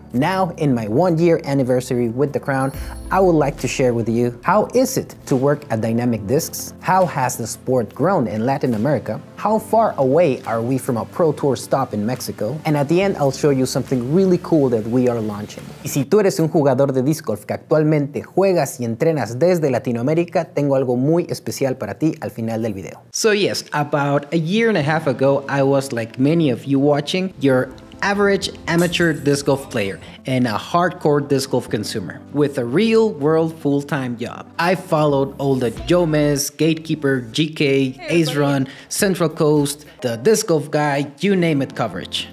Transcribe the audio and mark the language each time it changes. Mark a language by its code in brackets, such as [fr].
[en] Now, in my 1 year anniversary with the crown, I would like to share with you, how is it to work at dynamic discs? How has the sport grown in Latin America? How far away are we from a pro tour stop in Mexico? And at the end, I'll show you something really cool that we are launching. [es] Y si tú eres un jugador de disc golf que actualmente juegas y entrenas desde Latinoamérica, tengo algo muy especial para ti al final del video. [en] So yes, about a year and a half ago, I was like many of you watching, your average amateur disc golf player and a hardcore disc golf consumer with a real world full-time job. I followed all the Jomez, Gatekeeper, GK, Ace Run, Central Coast, the Disc Golf Guy, you name it coverage.